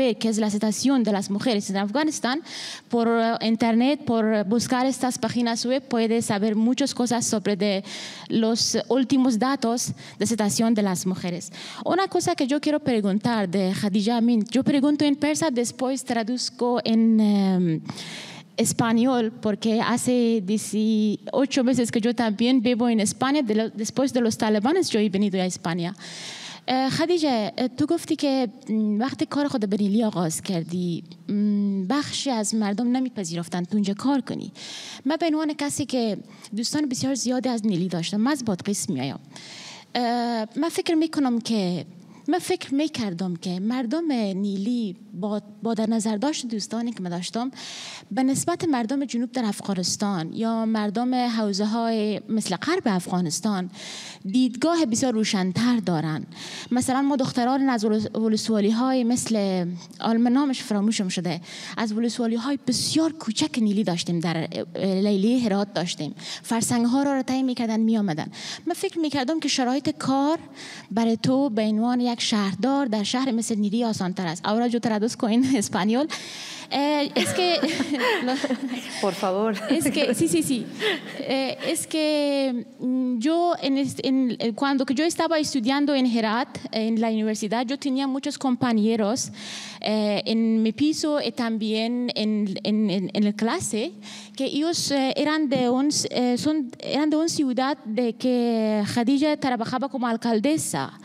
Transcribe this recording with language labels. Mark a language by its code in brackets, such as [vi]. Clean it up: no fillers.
[es] saber qué es la situación de las mujeres en Afganistán, por internet, por buscar estas páginas web, puede saber muchas cosas sobre de los últimos datos de situación de las mujeres. Una cosa que yo quiero preguntar de Khadija Amin, yo pregunto en persa, después traduzco en español, porque hace 18 meses que yo también vivo en España, después de los talibanes yo he venido a España. [fa] خدیجه تو گفتی که وقتی کار خود بریلی آغاز کردی بخشی از مردم نمیپذیرفتن تو اونجا کار کنی. من به عنوان کسی که دوستان بسیار زیادی از نیلی داشتم، من از بادغیس میایم، من فکر میکنم که من فکر میکردم که مردم نیلی با در نظر داشت دوستانی که من داشتم به نسبت مردم جنوب در افغانستان یا مردم حوزه های مثل غرب افغانستان دیدگاه بسیار روشن‌تر دارن. مثلا ما دختران از ولسوالی های مثل آلمان، نامش فراموشم شده، از ولسوالی های بسیار کوچک نیلی داشتیم، در لیلی هرات داشتیم، فرسنگ ها را طی میکردن میامدن. من فکر میکردم که شرایط کار برای تو به عنوان یک شهردار در شهر مثل نیلی آسان تر است. اورا traduz coin español. [es] Es que por favor. Es que sí. Es que yo en cuando que yo estaba estudiando en Herat, en la universidad, yo tenía muchos compañeros en mi piso y también en la clase, que ellos eran de un ciudad de que Khadija trabajaba como alcaldesa.